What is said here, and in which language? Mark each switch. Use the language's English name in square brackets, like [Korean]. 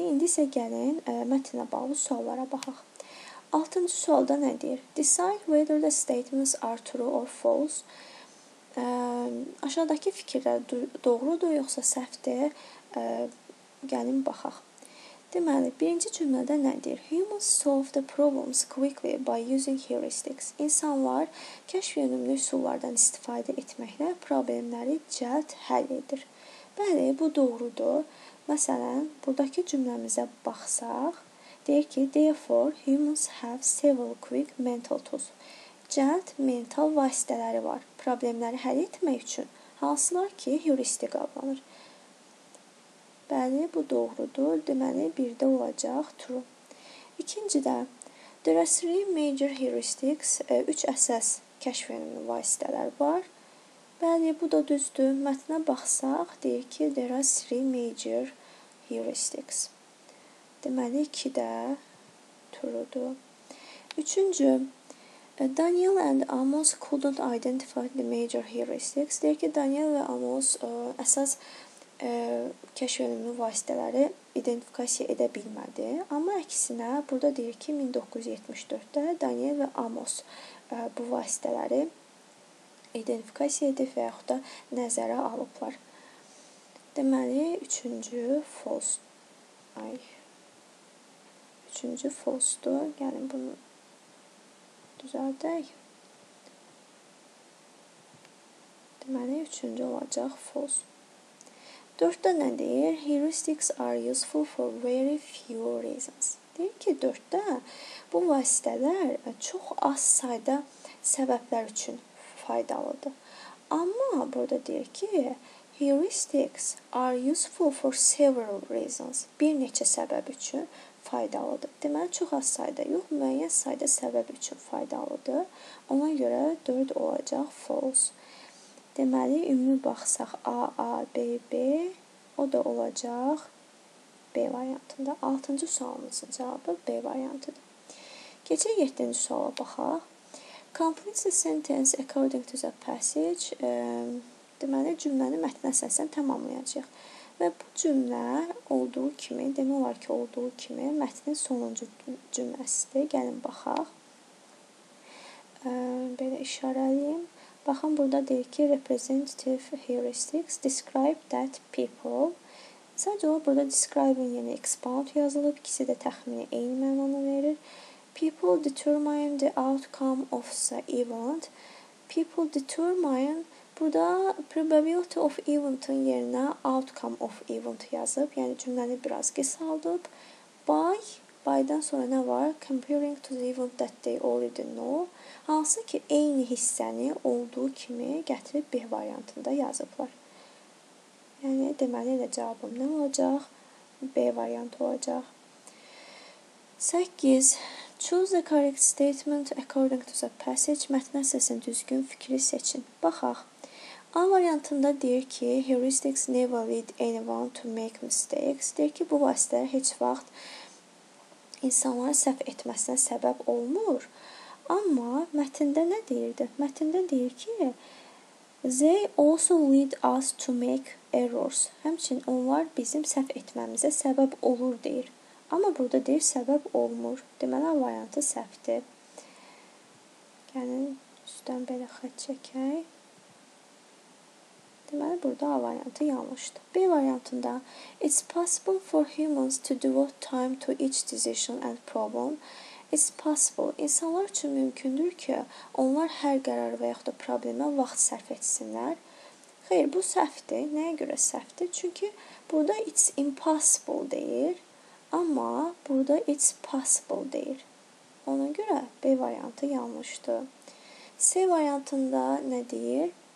[Azerbaijani] İndi isə gəlin mətnə bağlı suallara baxaq. 6-cı sualda nə deyir? [English] Decide whether the statements are true or false. [Azerbaijani] Aşağıdakı fikirlər doğrudur, yoxsa səhvdir? Gəlin, baxaq. Deməli, birinci cümlədə nə deyir? [English] Humans solve the problems quickly by using heuristics. [Azerbaijani] İnsanlar kəşf yönümlü üsullardan istifadə etməklə problemləri cəld həll edir. Bəli, bu doğrudur. Məsələn, buradakı cümləmizə baxsaq, deyir ki, [English] therefore, humans have several quick mental tools. [Azerbaijani] Cəld mental vasitələri var problemləri həll etmək üçün, hansılar ki, heuristik adlanır. Bəli, bu doğrudur. Deməli, bir də olacaq true. İkincidə, [English] there are three major heuristics, [Azerbaijani] 3 əsas kəşf yönümlü vasitələr var. Bəli, bu da düzdür. Mətnə baxsaq, deyir ki, [English] there are three major heuristics. [Azerbaijani] Deməli, 2 də turudur. Üçüncü, [English] Daniel and Amos couldn't identify the major heuristics. [Azerbaijani] Deyir ki, Daniel və Amos əsas kəşf yönümlü vasitələri identifikasiya edə bilmədi. Amma əksinə, burada deyir ki, 1974-də Daniel və Amos bu vasitələri identifikasiya edib və yaxud da nəzərə alıblar. Deməli, üçüncü false-dur. Gəlin, bunu düzəldək. Deməli, üçüncü olacaq false. Dörddə nə deyir? [English] Heuristics are useful for very few reasons. [Azerbaijani] Deyir ki, dörddə bu vasitələr çox az sayda səbəblər üçün faydalıdır. Amma burada deyir ki, [English] heuristics are useful for several reasons. [Azerbaijani] Bir neçə səbəb üçün faydalıdır. Deməli, çox az sayda yox, müəyyən sayda səbəb üçün faydalıdır. Ona görə 4 olacaq false. Deməli, ümumi baxsaq A, B, B, o da olacaq B variantında. 6-cı sualımızın cavabı B variantıdır. Keçək 7-ci suala baxaq. [English] Complete the sentence according to the passage. [Azerbaijani] Deməli, cümləni mətnə əsasən tamamlayacaq. Və bu cümlə olduğu kimi, demək olar ki, olduğu kimi mətnin sonuncu cümləsidir. Gəlin, baxaq. Belə işarələyim. Baxın, burada deyir ki, [English] representative heuristics describe that people. [Azerbaijani] Sadəcə o, burada describing, yəni expound yazılıb. İkisi də təxmini eyni mənanı verir. [English] People determine the outcome of the event. People determine, [Azerbaijani] burada [English] probability of event'ın [Azerbaijani] yerinə [English] outcome of event [Azerbaijani] yazıb, yəni cümləni biraz qısaldıb. By-dan sonra nə var? [English] Comparing to the event that they already know. [Azerbaijani] Hansı ki, eyni hissəni olduğu kimi gətirib B variantında yazıblar. Yəni, deməli elə cavabım nə olacaq? B variantı olacaq. 8. [English] Choose the correct statement according to the passage. [Azerbaijani] Mətnə əsasən düzgün fikri seçin. Baxaq. A variantında deyir ki, [English] heuristics never lead anyone to make mistakes. [Azerbaijani] Deyir ki, bu vasitələr heç vaxt insanların səhv etməsinə səbəb olmur. Amma mətndə nə deyirdi? Mətndə deyir ki, [English] They also lead us to make errors. [Azerbaijani] Həmçin onlar bizim səhv etməmizə səbəb olur deyir. Amma burada deyir səbəb olmur. Deməli, variantı səhvdir. Gəlin, üstdən belə xət çəkək. Deməli, burada A variantı yanlışdır. B variantında [English] It's possible for humans to devote time to each decision and problem. It's possible. [Azerbaijani] İnsanlar üçün mümkündür ki, onlar hər qərar və yaxud da problemə vaxt sərf etsinlər. Xeyr, bu səhvdir. Nəyə görə səhvdir? Çünki burada [English] it's impossible [Azerbaijani] deyir, amma burada [English] it's possible [Azerbaijani] deyir. Ona görə B variantı yanlışdır. C variantında nə deyir?